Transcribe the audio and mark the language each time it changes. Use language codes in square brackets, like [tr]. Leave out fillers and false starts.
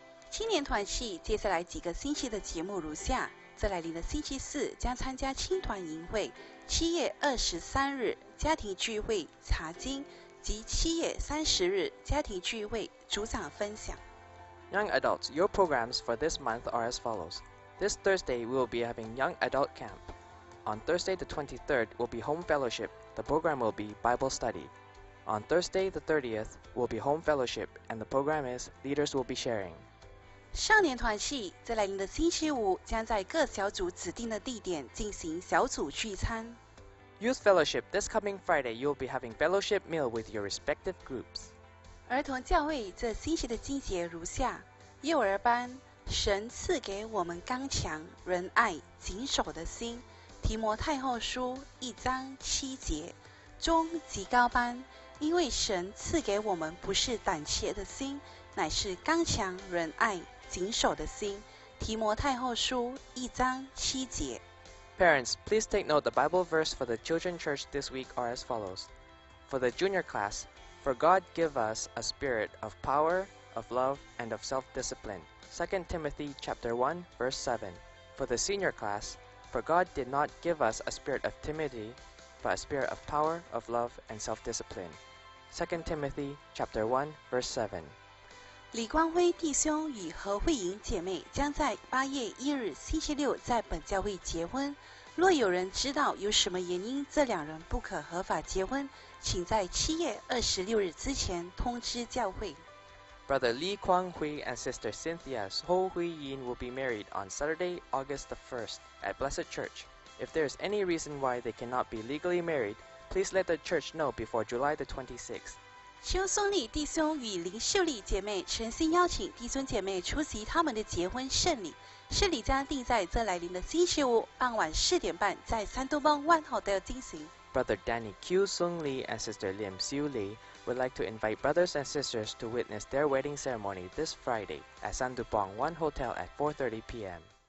[zh] 青年团契接下来几个星期的节目如下，这来临的星期四将参加青团营会，7月23日家庭聚会查经，及7月30日家庭聚会组长分享。 [en] Young adults, your programs for this month are as follows. This Thursday, we will be having Young Adult Camp. On Thursday the 23rd, will be Home Fellowship. The program will be Bible Study. On Thursday the 30th, will be Home Fellowship, and the program is Leaders Will Be Sharing. [zh] 少年团契在来临的星期五将在各小组指定的地点进行小组聚餐。 [en] Youth Fellowship, this coming Friday, you will be having fellowship meal with your respective groups. [zh] 儿童教会这星期的经节如下，幼儿班，神赐给我们刚强仁爱谨守的心，提摩太后书1:7。中极高班，因为神赐给我们不是胆怯的心，乃是刚强仁爱谨守的心，提摩太后书1:7。 [en] Parents, please take note the Bible verse for the children church this week are as follows. For the junior class,For God give us a spirit of power, of love, and of self-discipline. 2 Timothy chapter 1, verse 7. For the senior class, for God did not give us a spirit of timidity, but a spirit of power, of love, and self-discipline. 2 Timothy chapter 1, verse 7. [zh] 李光辉弟兄与何慧莹姐妹将在8月1日星期六在本教会结婚。若有人知道有什么原因这两人不可合法结婚，请在7月26日之前通知教会。 [en] Brother Lee Kwang Hui and Sister Cynthia So Hui Yin will be married on Saturday, August the 1st at Blessed Church. If there is any reason why they cannot be legally married, please let the church know before July the 26th. [zh] 邱松丽弟兄与林秀丽姐妹诚心邀请弟兄姐妹出席他们的结婚圣礼。圣礼将定在这来临的星期五傍晚4:30在山东邦万豪的进行。 [en] Brother Danny Q Sung Lee and Sister Lim Siu Lee would like to invite brothers and sisters to witness their wedding ceremony this Friday at Sandupong One Hotel at 4:30 p.m.